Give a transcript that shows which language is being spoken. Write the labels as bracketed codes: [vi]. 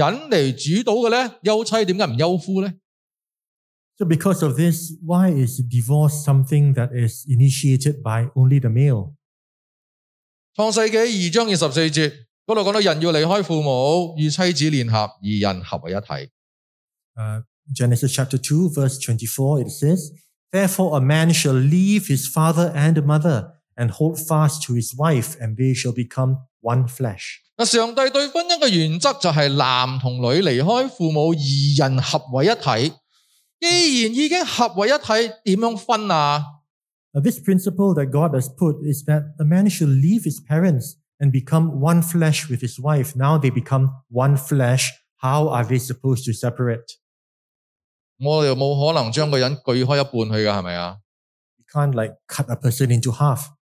[zh] 既然是这样，为什么离婚这件事情要由男人来主导的呢？休妻为什么不休夫呢？ [en] So because of this, why is divorce something that is initiated by only the male? [zh] 创世纪2章24节。 [en] Genesis chapter 2, verse 24, it says, therefore a man shall leave his father and mother and hold fast to his wife, and they shall become one flesh. [zh] 上帝对婚姻的原则就是男和女离开父母，二人合为一体。既然已经合为一体，怎样分啊？ [en] This principle that God has put is that a man shall leave his parents and become one flesh with his wife. Now they become one flesh. How are they supposed to separate? [zh] 我们没可能将个人锯开一半去的，是不是啊？ [en] You can't like cut a person into half.